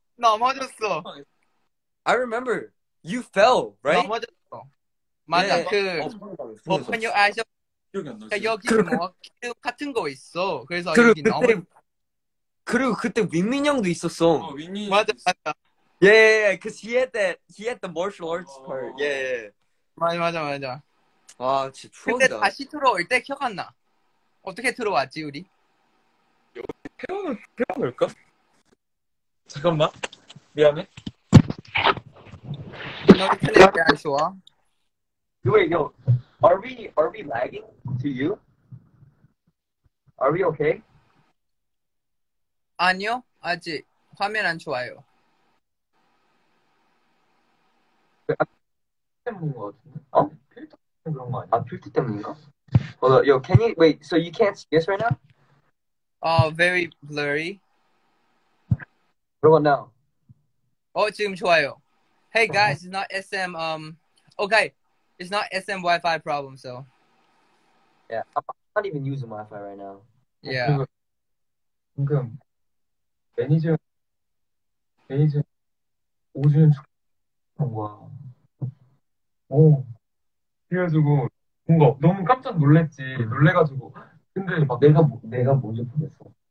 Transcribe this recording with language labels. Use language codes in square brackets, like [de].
[ko] 넘어졌어. [en] I remember. You fell, right? [ko] 넘어졌어. 맞아, [en] yeah. 그 open your eyes. [ko] 여기 뭐 기름 같은 거 있어. 그래서 여기 그리고 그때 윈민 형도 있었어. 맞아. [en] Yeah, yeah, yeah, cause he had the martial arts part. Oh. Yeah, yeah. [ko] 맞아. 와, 진짜 추억이다. 근데 다시 들어올 때 기억 안 나. 어떻게 들어왔지, 우리? 여기 태어날까? 잠깐만. 미안해. 너 인터넷이 안 좋아. [en] Wait, yo. Are we lagging to you? Are we okay? [ko] 아니요, 아직. 화면 안 좋아요. 필터 때문인 거 같은데? 필터 때문인가? [en] Hold on, yo, can you, wait, so you can't see us right now? Very blurry. What about now? [ko] 지금 좋아요. [en] Hey guys, it's not SM, okay, it's not SM Wi-Fi problem, so. Yeah, I'm not even using Wi-Fi right now. Yeah. [ko] 방금, 매니저, 오준 축하한 거야. 그래가지고 뭔가 너무 깜짝 놀랬지 놀래가지고 근데 막 내가 먼저 보냈어